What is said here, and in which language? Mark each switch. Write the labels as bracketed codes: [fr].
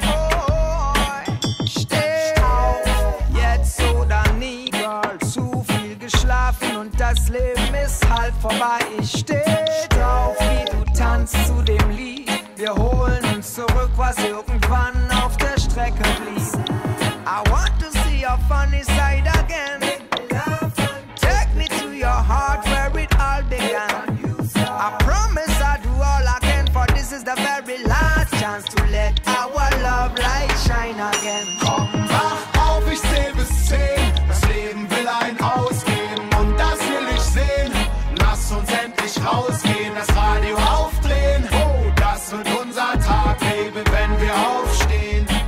[de] Oh, steh auf, jetzt oder nie, Girl. Zu viel geschlafen und das Leben ist halb vorbei. Ich steh drauf, wie du tanzt zu dem Lied. Wir holen uns zurück, was irgendwann auf der Strecke blieb. [en] I want to see your funny side again. Take me to your heart where it all began. I promise I'll do all I can, for this is the very last chance to let our love light shine again. [de] Komm, wach auf, ich zähl bis 10. Das Leben will ein Ausgehen und das will ich sehen. Lass uns endlich rausgehen, das Radio aufdrehen. Oh, das wird unser Tag, Baby, wenn wir aufstehen.